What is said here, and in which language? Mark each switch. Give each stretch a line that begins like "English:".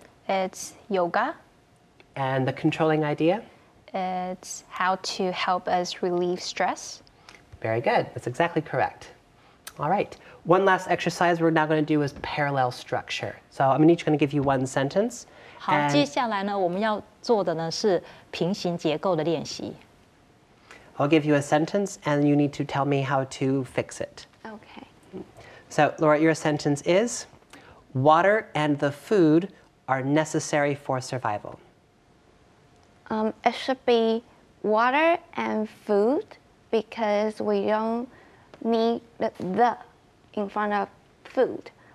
English: It's yoga. And the controlling idea? It's how to help us relieve stress. Very good. That's exactly correct. All right. One last exercise we're now going to do is parallel structure. So I'm each going to give you one sentence.
Chinese: 好，接下来呢，我们要做的呢是平行结构的练习。
English: I'll give you a sentence, and you need to tell me how to fix it. Okay. So, Laura, your sentence is, water and the food are necessary for survival. It should be water and food because we don't need the in front of food.